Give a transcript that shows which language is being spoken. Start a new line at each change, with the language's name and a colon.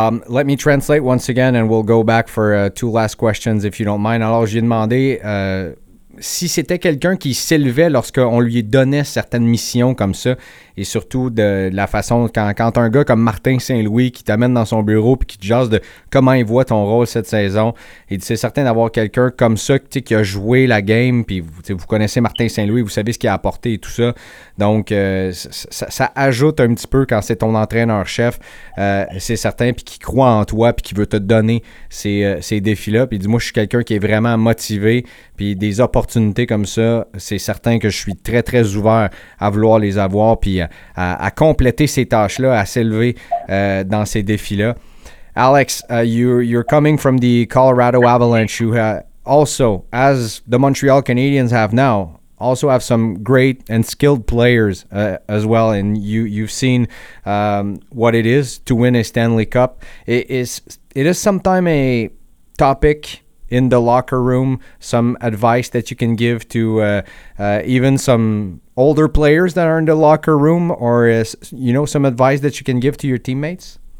English: Let me translate once again, and we'll go back for two last questions, if you don't mind.
French: Alors, j'ai demandé... si c'était quelqu'un qui s'élevait lorsqu'on lui donnait certaines missions comme ça, et surtout de la façon quand un gars comme Martin Saint-Louis qui t'amène dans son bureau puis qui te jase de comment il voit ton rôle cette saison, et c'est certain d'avoir quelqu'un comme ça qui a joué la game, puis vous connaissez Martin Saint-Louis, vous savez ce qu'il a apporté et tout ça, donc ça ajoute un petit peu quand c'est ton entraîneur-chef, c'est certain, puis qui croit en toi, puis qui veut te donner ces défis-là, puis il dit, moi je suis quelqu'un qui est vraiment motivé, puis des opportunités comme ça, c'est certain que je suis très très ouvert à vouloir les avoir, puis à compléter ces tâches-là, à s'élever dans ces défis-là.
English: Alex, you're coming from the Colorado Avalanche, who also, as the Montreal Canadiens have now, also have some great and skilled players as well, and you've seen what it is to win a Stanley Cup. It is sometimes a topic in the locker room, some advice that you can give to even some older players that are in the locker room, or is, you know, some advice that you can give to your teammates?